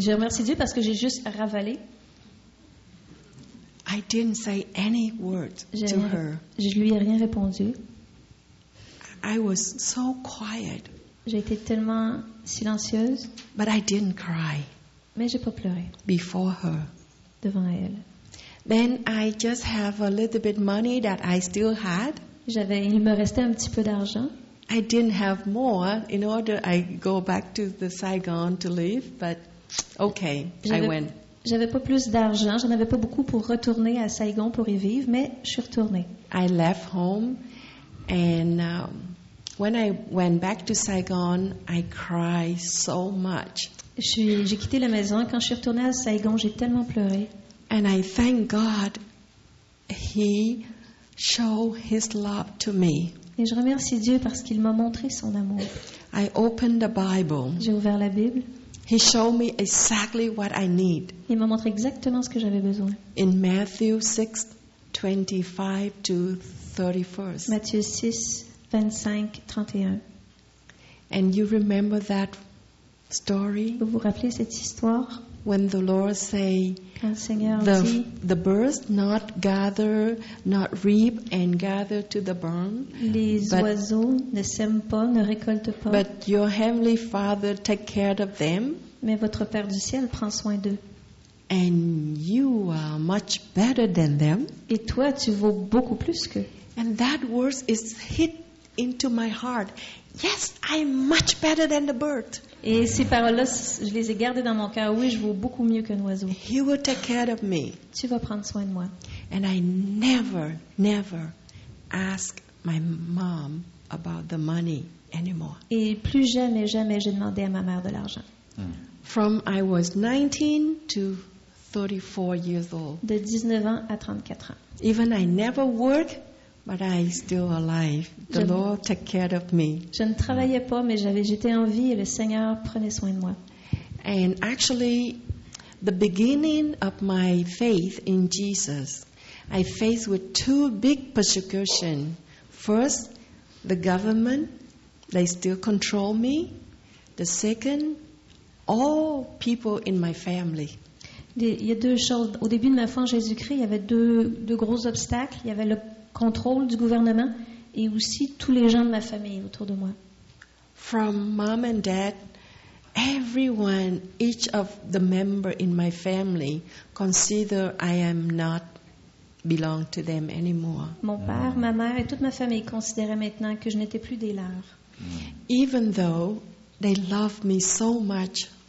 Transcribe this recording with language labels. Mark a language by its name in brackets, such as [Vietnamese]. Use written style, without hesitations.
[French] Je remercie Dieu parce que j'ai juste ravalé. [English] I didn't say any word to her. [French] Je lui ai rien répondu. [English] I was so quiet. [French] J'ai été tellement silencieuse. [English] But I didn't cry. [French] Mais j'ai pas pleuré. [English] Before her. [French] Devant elle. [English] Then I just have a little bit money that I still had. [French] J'avais, il me restait un petit peu d'argent. [English] I didn't have more in order I go back to the Saigon to live, but okay, [French] j'avais, [English] I went. [French] J'avais pas plus d'argent, j'en avais pas beaucoup pour retourner à Saigon pour y vivre, mais je suis retournée. [English] I left home and when I went back to Saigon, I cried so much. [French] J'ai quitté la maison, quand je suis retournée à Saigon, j'ai tellement pleuré. [English] And I thank God he show his love to me. [French] Et je remercie Dieu parce qu'il m'a montré son amour. [English] I opened the Bible. [French] J'ai ouvert la Bible. [English] He showed me exactly what I need. [French] Il m'a montré exactement ce que j'avais besoin. [English] In Matthew 6:25-31. [French] Matthieu 6:25-31. [English] And you remember that story? [French] Vous vous rappelez cette histoire? [English] When the Lord say, the birds not gather, not reap and gather to the barn. [French] Les but, oiseaux ne sèment pas, ne récoltent pas. [English] But your heavenly Father take care of them. [French] Mais votre Père du ciel prend soin d'eux. [English] And you are much better than them. [French] Et toi, tu vaux beaucoup plus qu'eux. [English] And that word is hit into my heart. Yes, I'm much better than the bird. [French] Et ces paroles-là, je les ai gardées dans mon cœur. Oui, je vaux beaucoup mieux qu'un oiseau. [English] He will take care of me. [French] Tu vas prendre soin de moi. [English] And I never, never ask my mom about the money anymore. [French] Et plus jamais, jamais, je demandais à ma mère de l'argent. [English] From I was 19 to 34 years old. [French] De 19 ans à 34 ans. [English] Even I never work. But I still alive. The Lord took care of me. [French] Je ne travaillais pas, mais j'étais en vie et le Seigneur prenait soin de moi. [English] And actually, the beginning of my faith in Jesus, I faced with two big persecutions. First, the government, they still control me. The second, all people in my family. [French] Il y a deux choses. Au début de ma foi en Jésus-Christ, il y avait deux gros obstacles. Il y avait le contrôle du gouvernement et aussi tous les gens de ma famille autour de moi. [English] From mom and dad, everyone, each of the member in my family consider I am not belong to them anymore. [French] Mon père, ma mère et toute ma famille considéraient maintenant que je n'étais plus des leurs. [English] Even though they loved me so much.